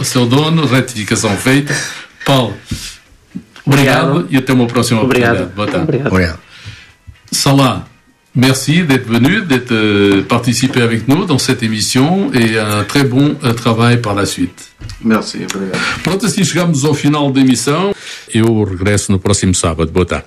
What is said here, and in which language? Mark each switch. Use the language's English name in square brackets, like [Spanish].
[Portuguese] O seu dono, retificação feita. Paulo, obrigado e até uma próxima oportunidade. Boa tarde. Obrigado. [Arabic] Salam. [French] Merci d'être venu, d'être participé avec nous dans cette émission et un très bon travail par la suite. Merci, [Portuguese] obrigado. Pronto, assim chegamos ao final da emissão. Eu regresso no próximo sábado. Boa tarde.